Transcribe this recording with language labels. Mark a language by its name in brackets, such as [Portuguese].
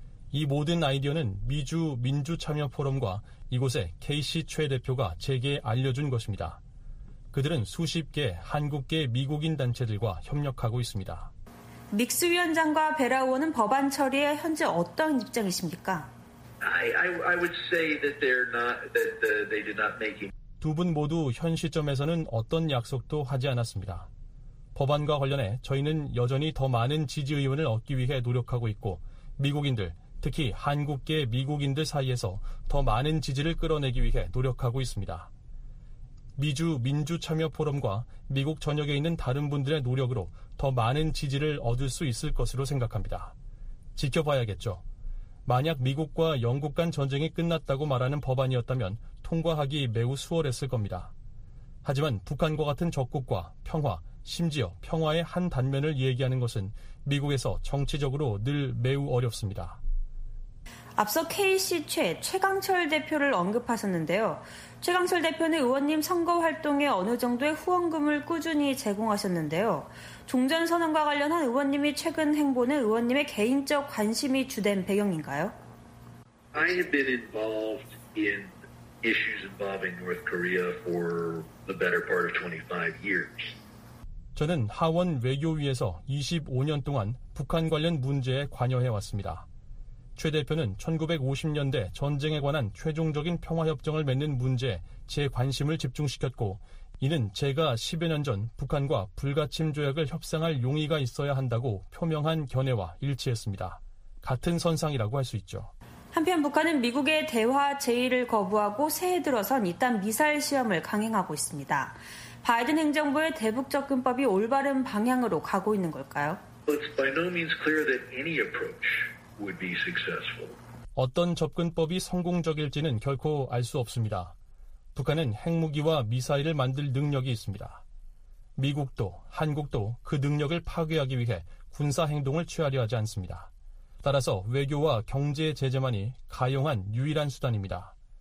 [Korean] 이 모든 아이디어는 미주 민주 참여 포럼과 이곳의 케이시 최 대표가 제게 알려준 것입니다. 그들은 수십 개 한국계 미국인 단체들과 협력하고 있습니다. 믹스 위원장과 베라 의원은 법안 처리에 현재 어떤 입장이십니까? [English] I would say that they're not that they did not make it. [Korean] 두 분 모두 현 시점에서는 어떤 약속도 하지 않았습니다. 법안과 관련해 저희는 여전히 더 많은 지지 의원을 얻기 위해 노력하고 있고 미국인들, 특히 한국계 미국인들 사이에서 더 많은 지지를 끌어내기 위해 노력하고 있습니다. 미주 민주 참여 포럼과 미국 전역에 있는 다른 분들의 노력으로 더 많은 지지를 얻을 수 있을 것으로 생각합니다. 지켜봐야겠죠. 만약 미국과 영국 간 전쟁이 끝났다고 말하는 법안이었다면 통과하기 매우 수월했을 겁니다. 하지만 북한과 같은 적국과 평화, 심지어 평화의 한 단면을 얘기하는 것은 미국에서 정치적으로 늘 매우 어렵습니다. 앞서 KC 최강철 대표를 언급하셨는데요. 최강철 대표는 의원님 선거 활동에 어느 정도의 후원금을 꾸준히 제공하셨는데요. 종전선언과 관련한 의원님이 최근 행보는 의원님의 개인적 관심이 주된 배경인가요? [English] I have been involved in issues involving North Korea for the better part of 25 years. [Korean] 저는 하원 외교위에서 25년 동안 북한 관련 문제에 관여해 왔습니다. 최 대표는 1950년대 전쟁에 관한 최종적인 평화협정을 맺는 문제에 제 관심을 집중시켰고 이는 제가 10여 년 전 북한과 불가침 조약을 협상할 용의가 있어야 한다고 표명한 견해와 일치했습니다. 같은 선상이라고 할 수 있죠. 한편 북한은 미국의 대화 제의를 거부하고 새해 들어선 이딴 미사일 시험을 강행하고 있습니다. 바이든 행정부의 대북 접근법이 올바른 방향으로 가고 있는 걸까요? [English] It's by no means clear that any approach would be successful. [Korean] 어떤 접근법이 성공적일지는 결코 알 수 없습니다. 북한은 핵무기와 미사일을 만들 능력이 있습니다. 미국도 한국도 그 능력을 파괴하기 위해 군사 행동을 취하려 하지 않습니다. 따라서 외교와 경제 제재만이 가용한 유일한 수단입니다.